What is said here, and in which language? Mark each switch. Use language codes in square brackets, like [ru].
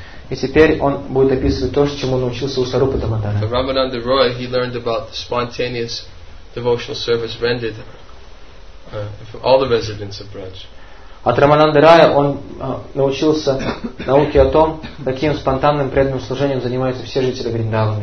[ru] И теперь он будет описывать то, чему научился у Сарупы Дамодара. [en] Рамананду Рой, he learned about the spontaneous devotional service rendered for all the residents of Braj. [ru] От Рамананды Рая он научился науке о том, каким спонтанным преданным служением занимаются все жители Вриндавана.